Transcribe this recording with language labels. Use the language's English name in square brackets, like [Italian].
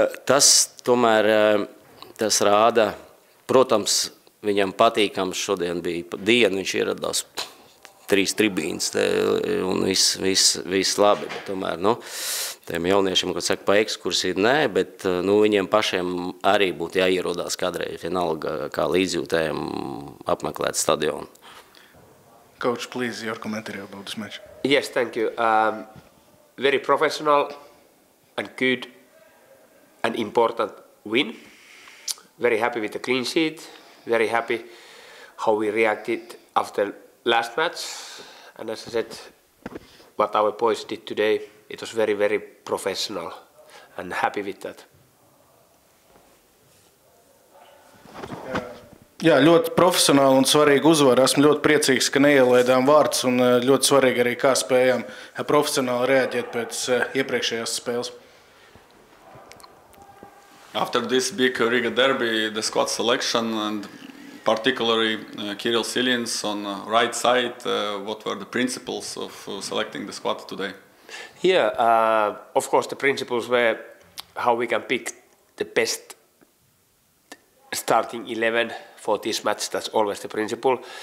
[Latvian] Tas tomēr, tas rāda, protams, viņam patīkams šodien bija diena, viņš ieradās trīs tribīnes, un viss labi, bet tomēr, nu, tiem jauniešiem, kad saka, pa ekskursiju, nē, bet, nu, viņiem pašiem arī būtu jāierodās kadrei, vienalga, kā līdzjūtējiem apmeklēt stadionu. [English] Coach, please, your commentary about this match. Yes, thank you. Very professional and good and important win. Very happy with the clean sheet. Very happy how we reacted after last match. And as I said, what our boys did today, it was very, very professional and happy with that. [Latvian] Jā, ļoti profesionāli un svarīgi uzvara. Esmu ļoti priecīgs, ka neielaidām vārds un ļoti svarīgi arī, kā spējām profesionāli reaģēt pēc iepriekšējās spēles. [English] After this big Riga derby, the squad selection and particularly Kirill Siljins on right side, what were the principles of selecting the squad today? Yeah, of course the principles were how we can pick the best starting 11 for this match, that's always the principle.